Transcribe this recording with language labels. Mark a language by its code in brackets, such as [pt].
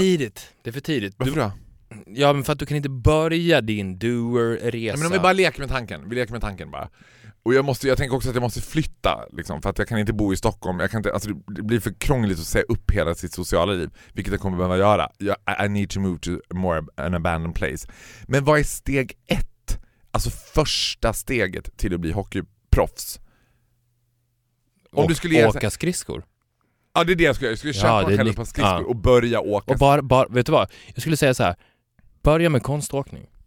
[sv] Det är för tidigt. Varför då? Ja, men för att du kan inte börja din doer-resa. Men om vi leker med tanken bara. Och jag tänker också att jag måste flytta liksom, för att jag kan inte bo i Stockholm. Jag kan inte, alltså det blir för krångligt att säga upp hela sitt sociala liv, vilket jag kommer behöva göra. [en] I need to move to more an abandoned place. [sv] Men vad är steg ett? Alltså första steget till att bli hockeyproffs? Åka skridskor. Ja, det är det jag skulle köpa på skridskor och börja åka. Och bara, vet du vad? Jag skulle säga så här. Börja med konståkning.